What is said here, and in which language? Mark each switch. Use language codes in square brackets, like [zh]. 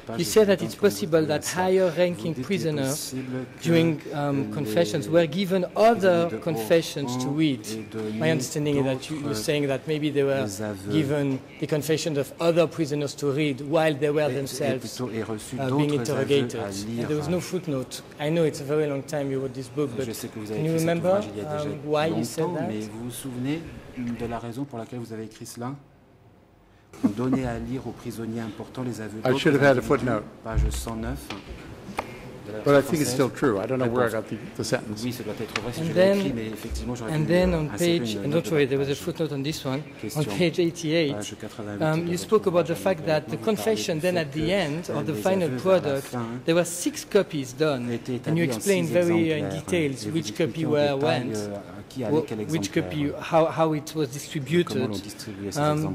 [en] You said that it's possible that higher-ranking prisoners during confessions were given other confessions to read. My understanding is that you're saying that maybe they were given the confessions of other prisoners to read while they were themselves being interrogated. And there was no footnote. I know it's a very long time you wrote this book, but can you remember why you said that? [fr] Mais vous vous souvenez de la raison pour laquelle vous avez écrit cela? Donner à lire aux prisonniers importants les aveux. [en] I should have had a footnote. Page 109. But I think it's still true. I don't know where I got the sentence. And then on page, and don't worry, there was a footnote on this one. On page 88, you spoke about the fact that the confession then at the end, or the final product, there were 6 copies done, and you explained very in details which copy where went, which copy, how it was distributed.